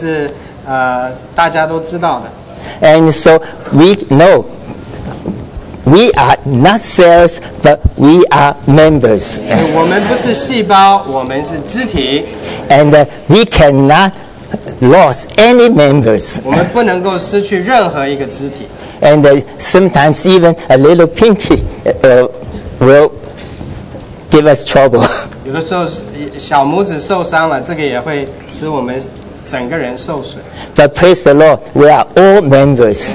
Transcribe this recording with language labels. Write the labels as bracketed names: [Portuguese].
[Chinese] 我不是医生，所以我不是专家，但是这个是大家都知道的。 [English] And so we know. We are not cells, but we are members. [Chinese] 我们不是细胞，我们是肢体。 [English] And we cannot lose any members. [Chinese] 我们不能够失去任何一个肢体。 [English] And sometimes even a little pinky will give us trouble. [Chinese] 有的时候小拇指受伤了，这个也会使我们整个人受损。 [English] But praise the Lord, we are all members.